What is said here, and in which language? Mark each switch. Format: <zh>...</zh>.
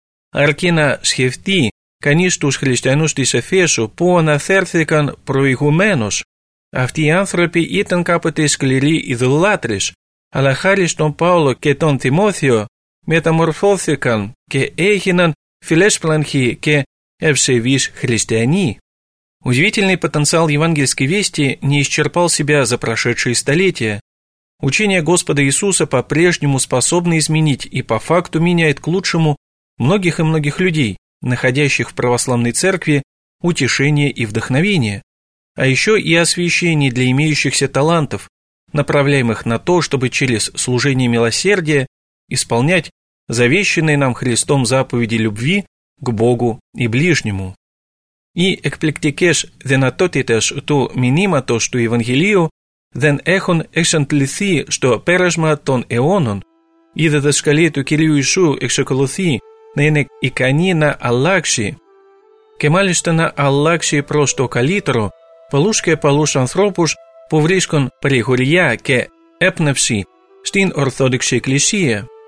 <el>Αρκεί να σκεφτεί κανείς τους χριστιανούς της Εφέσου που αναφέρθηκαν προηγουμένως, αυτοί οι άνθρωποι ήταν κάποτε σκληροί ειδωλάτρες, αλλά χάρη στον Παύλο και τον Τιμόθεο, μεταμορφώθηκαν και έγιναν φιλέσπλανχοι και ευσεβείς χριστιανοί.</el> <ru>Удивительный потенциал евангельской вести не исчерпал себя за прошедшие столетия. Учение Господа Иисуса по-прежнему способно изменить и по факту меняет к лучшему многих и многих людей, находящих в православной церкви утешение и вдохновение, а еще и освящение для имеющихся талантов, направляемых на то, чтобы через служение милосердия исполнять завещанные нам Христом заповеди любви к Богу и ближнему.</ru> <el>И εκπληκτικές δυνατότητες του μηνύματος του Ευαγγελίου δεν έχουν εξαντληθεί στο πέρασμα των αιώνων, η διδασκαλία του Κυρίου Ιησού εξακολουθεί να είναι ικανή να αλλάξει και μάλιστα να αλλάξει προς το καλύτερο πολλούς και πολλούς ανθρώπους που βρίσκουν περιχωριά και έπνευση στην Ορθόδοξη Εκκλησία.</el>